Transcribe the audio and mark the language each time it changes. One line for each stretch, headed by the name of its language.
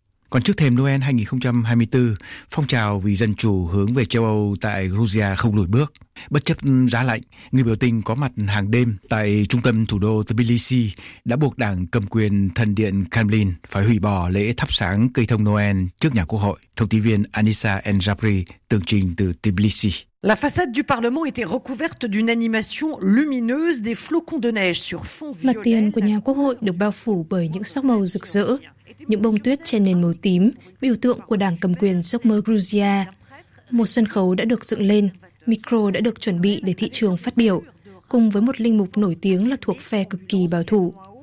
Vietnamese: Còn trước thềm Noel 2024, phong trào vì dân chủ hướng về châu Âu tại Georgia không lùi bước. Bất chấp giá lạnh, người biểu tình có mặt hàng đêm tại trung tâm thủ đô Tbilisi đã buộc đảng cầm quyền thần điện Kremlin phải hủy bỏ lễ thắp sáng cây thông Noel trước nhà quốc hội. Thông tin viên Anissa Enjabri tường trình từ Tbilisi.
French: La façade du Parlement était recouverte d'une animation lumineuse des flocons de neige sur fond violet.
Vietnamese: Mặt tiền của nhà quốc hội được bao phủ bởi những sắc màu rực rỡ. Những bông tuyết trên nền màu tím, biểu tượng của đảng cầm quyền giấc mơ Georgia. Một sân khấu đã được dựng lên, micro đã được chuẩn bị để thị trường phát biểu, cùng với một linh mục nổi tiếng là thuộc phe cực kỳ bảo thủ.